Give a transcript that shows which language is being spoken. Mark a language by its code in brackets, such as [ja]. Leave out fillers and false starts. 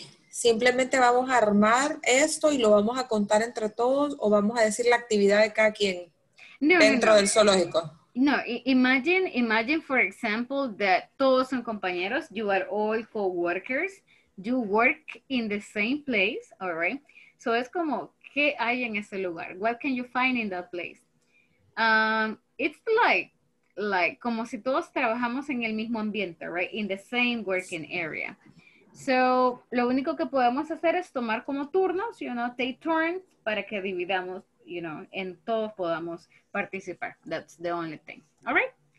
[es] Simplemente vamos a armar esto y lo vamos a contar entre todos o vamos a decir la actividad de cada quien del zoológico. [en] No, imagine, for example, that [es] todos son compañeros, [en] you are all co-workers, you work in the same place, all right? [es] So es como, ¿qué hay en ese lugar? [en] What can you find in that place? It's like, [es] como si todos trabajamos en el mismo ambiente, [en] right? In the same working area. So, [es] lo único que podemos hacer es tomar como turnos, [en] you know, take turns, [es] para que dividamos, [en] you know, [es] en todos podamos participar. [en] That's the only thing. All right?